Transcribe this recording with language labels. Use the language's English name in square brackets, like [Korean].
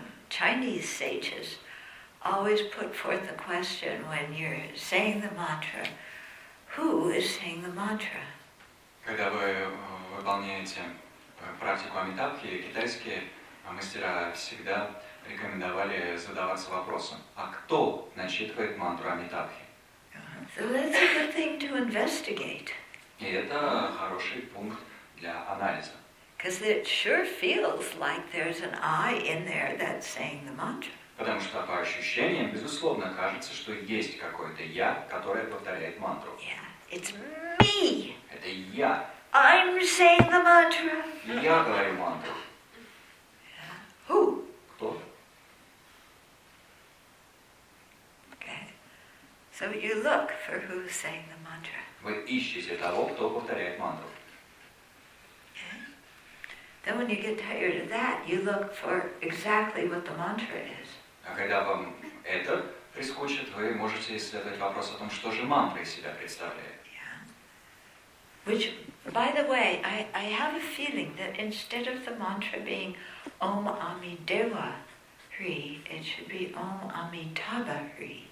[English] Chinese sages always put forth the question when you're saying the mantra, who is saying the mantra? [Russian] Когда вы выполняете практику амитабхи, китайские мастера всегда рекомендовали задаваться вопросом, а кто начитывает мантру амитабхи? [English] So that's a good thing to investigate. [Russian] И это хороший пункт для анализа. [English] Because it sure feels like there's an I in there that's saying the mantra. [Russian] Потому что по ощущениям, безусловно, кажется, что есть какое-то я, которое повторяет мантру. [English] Yeah, it's me. [Russian] Это я. [English] I'm saying the mantra. [Russian] Я говорю мантру. [English] Yeah. Who? [Russian] Кто? [English] Okay. So you look for who's saying the mantra. [Russian] Вы ищете того, кто повторяет мантру. [English] Then when you get tired of that, you look for exactly what the mantra is. [Russian] А когда вам это прискучит, вы можете исследовать вопрос о том, что же мантра из себя представляет. [English] Yeah. Which, by the way, I have a feeling that instead of the mantra being Om Amidewa Hri, it should be Om Amitabha Hri.